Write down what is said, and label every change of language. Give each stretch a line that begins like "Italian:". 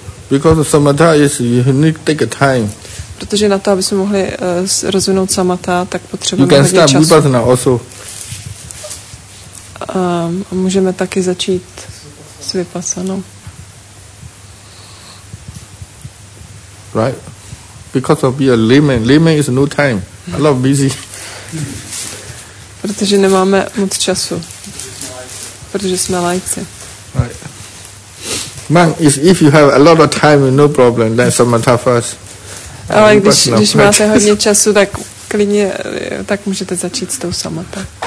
English: Because samatha is, you need to take a time.
Czech: Protože na to, aby jsme mohli rozvinout samatha, tak potřebujeme hodně času.
English: You can start vipassana also.
Czech: A můžeme taky začít s vipassanou.
English: Right. Because of your limit is no time. A lot of busy.
Czech: Protože nemáme moc času. Protože jsme lajci.
English: Right. Man, if you have a lot of time, no problem, then samatha first.
Czech: Ale když máte hodně času, tak klidně, tak můžete začít s tou samatha.